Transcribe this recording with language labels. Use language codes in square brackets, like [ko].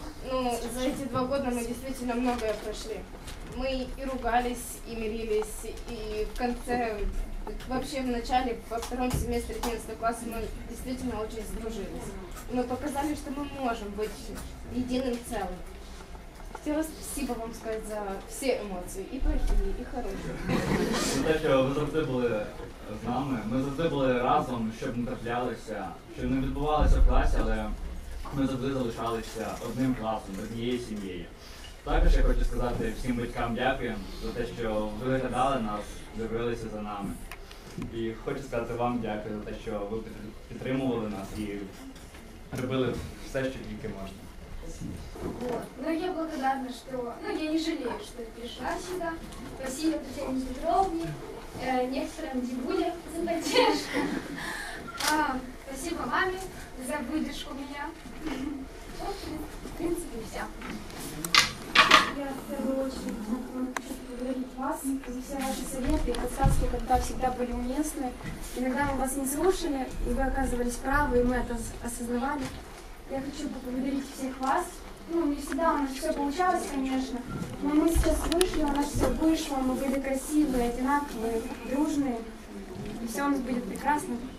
[ru] Ну, за эти 2 года мы действительно многое прошли. Мы и ругались, и мирились, и в конце, вообще в начале, во втором семестре 11 класса мы действительно очень сдружились. Мы показали, что мы можем быть единым целым. Хотела спасибо вам сказать за все эмоции, и плохие, и хорошие. [uk] Наташа, ви завжди були з нами, ми завжди були разом, щоб не траплялися, щоб не відбувалося в класі, але ми завжди залишалися одним класом, однією сім'єю. Також я хочу сказати всім батькам дякую за те, що виглядали нас, дивилися за нами. І хочу сказати вам дякую за те, що ви підтримували нас і робили все, що тільки можна. [ru] Ну, я благодарна, що... [uk] Ну, [ru] я не жалею, [uk] що я прийшла сюди. Дякую Тетяні Петровні, некоторим дідулям за підтримку. Дякую мамі за витримку мене. В принципі, все. [ru] Я в первую очередь хочу поблагодарить вас за все ваши советы и подсказки, когда всегда были уместны. Иногда мы вас не слушали, и вы оказывались правы, и мы это осознавали. Я хочу поблагодарить всех вас. Ну, не всегда у нас все получалось, конечно, но мы сейчас вышли, у нас все вышло, мы были красивые, одинаковые, дружные, и все у нас будет прекрасно.